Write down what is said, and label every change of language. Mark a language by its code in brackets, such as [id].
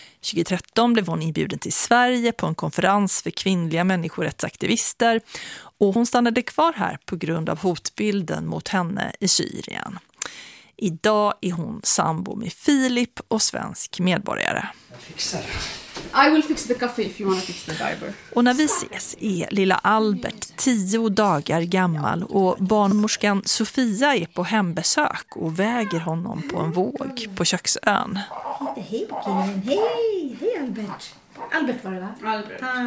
[sv] 2013 blev hon inbjuden till Sverige på en konferens för kvinnliga människorättsaktivister och hon stannade kvar här på grund av hotbilden mot henne i Syrien. Idag är hon sambo med Filip och svensk medborgare. [en] I will fix the cafe if you want to fix the diaper. [sv] Och när vi ses är lilla Albert 10 dagar gammal och barnmorskan Sofia är på hembesök och väger honom på en våg på köksön. Hej Albert. Albert var det va? Albert.